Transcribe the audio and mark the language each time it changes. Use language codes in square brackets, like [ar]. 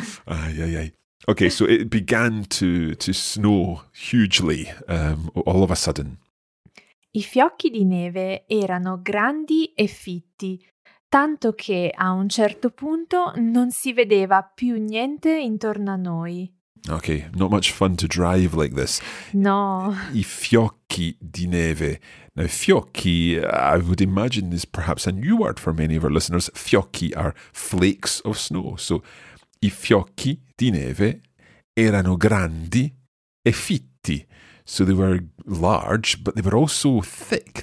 [en] Ai, ai, ai. Ok, so it began to snow hugely, all of a sudden. [it] I fiocchi di neve erano grandi e fitti, tanto che a un certo punto non si vedeva più niente intorno a noi. [en] Ok, not much fun to drive like this. No. [it] I fiocchi di neve. [en] Now, fiocchi, I would imagine, is perhaps a new word for many of our listeners. Fiocchi are flakes of snow. [it] So, i fiocchi di neve erano grandi e fitti. [en] So, they were large, but they were also thick.